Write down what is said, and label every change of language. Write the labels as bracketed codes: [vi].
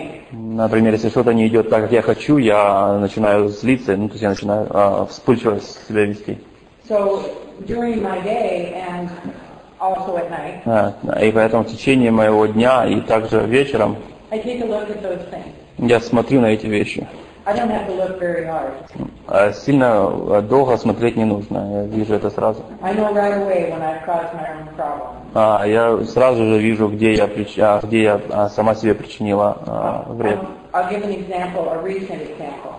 [ru] Например, если что-то не идет так, как я хочу, я начинаю злиться, ну, то есть я начинаю вспыльчиво себя вести. [en] So, during my day and also at night, [ru] и поэтому в течение моего дня и также вечером [en] I take a look at those things. [ru] Я смотрю на эти вещи. [en] I don't have to look very hard. [ru] Сильно долго смотреть не нужно. Я вижу это сразу. [en] I know right away when I've caused my own problem. [ru] Я сразу же вижу, где я сама себе причинила вред. [en] I'll give an example, a recent example.